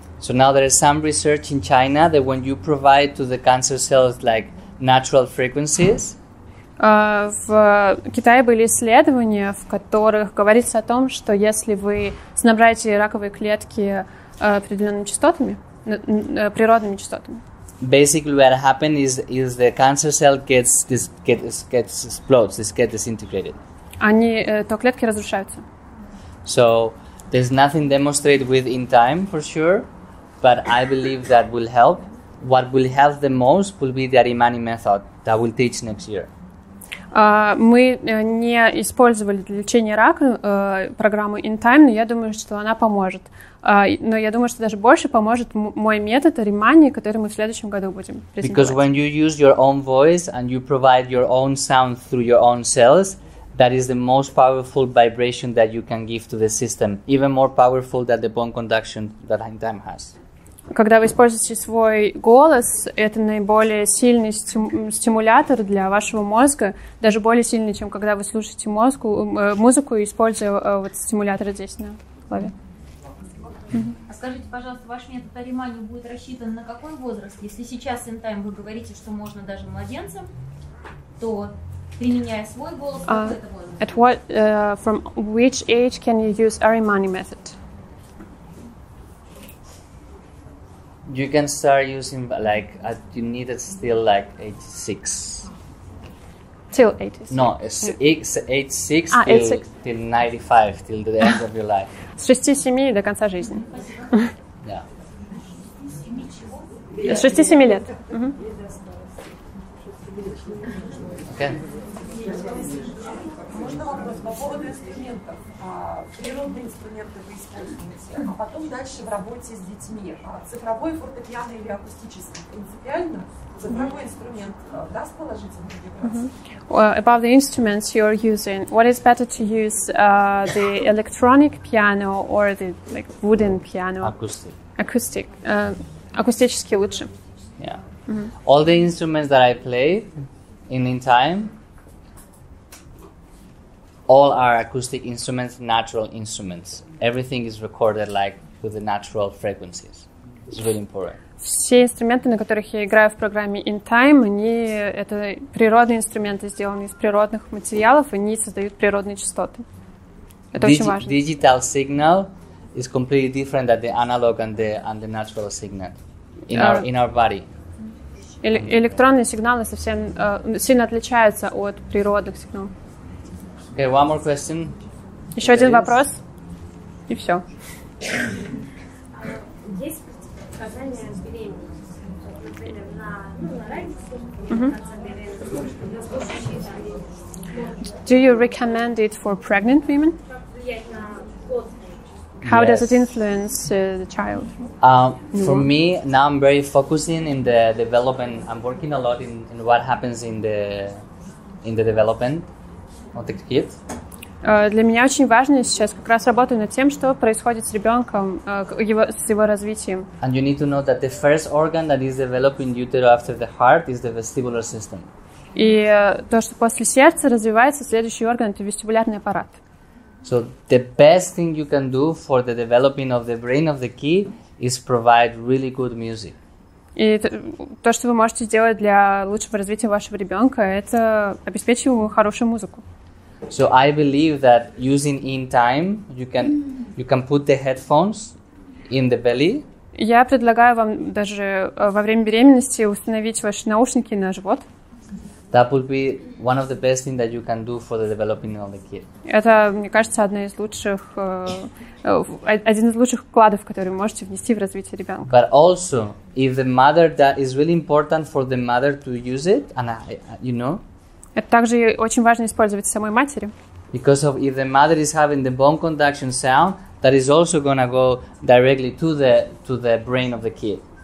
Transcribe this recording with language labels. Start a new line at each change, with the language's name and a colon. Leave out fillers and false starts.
English: So now there is some research in China that when you provide to the cancer cells like natural frequencies,
Russian: В Китае были исследования, в которых говорится о том, что если вы снабжаете раковые клетки определенными частотами, природными частотами.
English: Basically, what happened is the cancer cell gets explodes, this gets disintegrated.
Russian: Они то клетки разрушаются.
English: So there's nothing demonstrated with in time for sure, but I believe that will help. What will help the most will be the Arimany method that we'll teach next year.
Russian: Мы не использовали для лечения рака программу In Time, но я думаю, что она поможет. Но я думаю, что даже больше поможет мой метод Arimany, который мы в следующем году будем презентовать.
English: Because when you use your own voice and you provide your own sound through your own cells, that is the most powerful vibration that you can give to the system, even more powerful than the bone conduction that In Time has.
Russian: Когда вы используете свой голос, это наиболее сильный стимулятор для вашего мозга, даже более сильный, чем когда вы слушаете музыку, используя вот стимуляторы здесь на клаве. А скажите, пожалуйста, ваш метод Arimany будет рассчитан на какой возраст? Если сейчас In Time вы говорите, что можно даже младенцам, то применяя свой голос, какой это возраст?
English: From which age can you use Arimany method? You can start using, like, you need it still, like, 86. Till 86. No, it's 86 till 95, till the end of your life.
Russian: С 6-7 до конца жизни.
English: Yeah.
Russian: С 6-7 лет.
English: Okay.
Russian: Можно вопрос по поводу инструментов? Природные инструменты вы используете, а потом дальше в работе с детьми. Цифровой, фортепиано или акустический? Принципиально цифровой инструмент даст положительную вибрацию?
English: Well, about the instruments you're using, what is better to use, the electronic piano or the like wooden piano? Acoustic.
Russian: Акустически лучше.
English: Yeah. All the instruments that I play in time, all are acoustic instruments, natural instruments. Everything is recorded like with the natural frequencies. It's really important.
Russian: Все инструменты, на которых я играю в программе In Time, они это природные инструменты, сделанные из природных материалов, они создают природные частоты. Это очень важно.
English: Digital signal is completely different than the analog and the natural signal in our body.
Russian: Электронные сигналы совсем сильно отличаются от природных сигналов.
English: Okay, one more question.
Russian: Еще один вопрос. И все. Есть предсказание о беременности? Например, на разнице
English: Do you recommend it for pregnant women? How does it influence the child? For me, now I'm very focusing in the development. I'm working a lot in what happens in the development of the kid.
Russian: Для меня очень важно сейчас как раз работаю над тем, что происходит с ребенком, его, с его развитием.
English: And you need to know that the first organ that is developing utero after the heart is the vestibular system.
Russian: И то, что после сердца развивается следующий орган, это вестибулярный аппарат.
English: So the best thing you can do for the developing of the brain of the kid is provide really good music.
Russian: И то, что вы можете сделать для лучшего развития вашего ребенка, это обеспечить ему хорошую музыку.
English: So I believe that using in time, you can put the headphones in the belly.
Russian: Я предлагаю вам даже во время беременности установить ваши наушники на живот.
English: That would be one of the best things that you can do for the developing of the kid.
Russian: Это, мне кажется, одна из лучших, один из лучших вкладов, который можете внести в развитие ребенка.
English: But also, if the mother, that is really important for the mother to use it, and you know.
Russian: Это также очень важно использовать самой матери.
English: Because of if the mother is having the bone conduction sound, that is also going to go directly to the brain of the kid.